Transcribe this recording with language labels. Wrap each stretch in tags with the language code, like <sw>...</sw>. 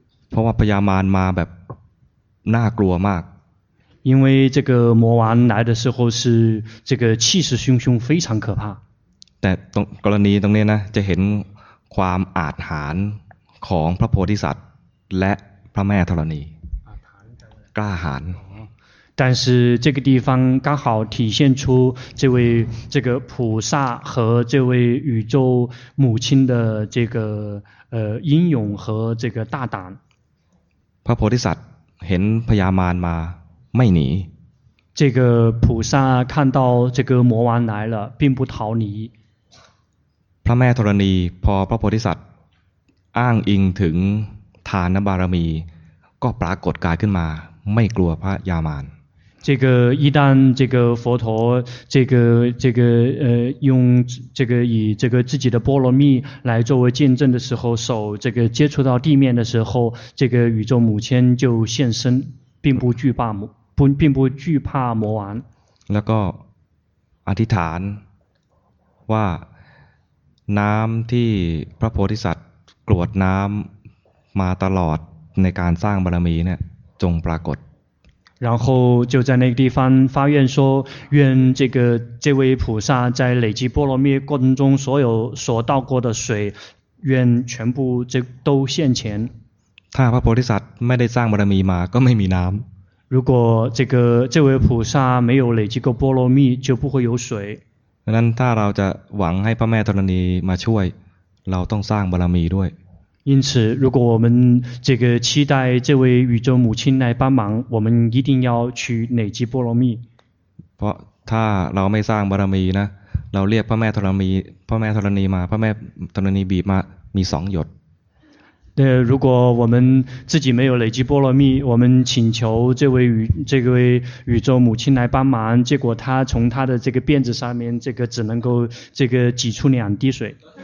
<th>เพราะว่าพญามารมาแบบน่ากลัวมาก</th> <zh>因为这个魔王来的时候是这个气势汹汹非常可怕</zh> <th>แต่ตรงกรณีตรงนี้นะจะเห็นความอาถรรพ์ของพระโพธิสัตว์และพระแม่ธรณีกล้าหาญ</th> <zh>但是这个地方刚好体现出这位这个菩萨和这位宇宙母亲的这个英勇和这个大胆</zh> <th>พระโพธิสัตว์เห็นพญามารมาไม่หนี</th> <zh>这个菩萨看到这个魔王来了并不逃离</zh> <th>พระแม่ธรณีพอพระโพธิสัตว์อ้างอิงถึงทานบารมีก็ปรากฏกายขึ้นมาไม่กลัวพระยามาร</th> <zh>这个一旦这个佛陀这个用这个以这个自己的波罗蜜来作为见证的时候手这个接触到地面的时候这个宇宙母亲就现身并不惧怕魔王</zh> <th>แล้วก็อธิษฐานว่าน้ำที่พระโพธิสัตว์กรวดน้ำมาตลอดในการสร้างบารมีเนี่ยจงปรากฏ</th> <zh>然后就在那个地方发愿说愿这位菩萨在累积波罗蜜过程中所有所倒过的水愿全部这都现前</zh> <th>ถ้าพระโพธิสัตว์ไม่ได้สร้างบารมีมาก็ไม่มีน้ำ</th> <zh>如果这位菩萨没有累积过波罗蜜就不会有水</zh> <th>นั้นถ้าเราจะหวังให้พระแม่ธรณีมาช่วยเราต้องสร้างบารมีด้วย</th> <zh>因此如果我们这个期待这位宇宙母亲来帮忙我们一定要去累积波罗蜜</zh> <th>เพราะถ้าเราไม่สร้างบารมีนะเราเรียกพระแม่ธรณีมาพระแม่ธรณีบีบมามีสองหยด</th> <zh>那如果我们自己没有累积波罗蜜，我们请求这位宇宙母亲来帮忙，结果她从她的这个辫子上面，这个只能够这个挤出两滴水。</zh>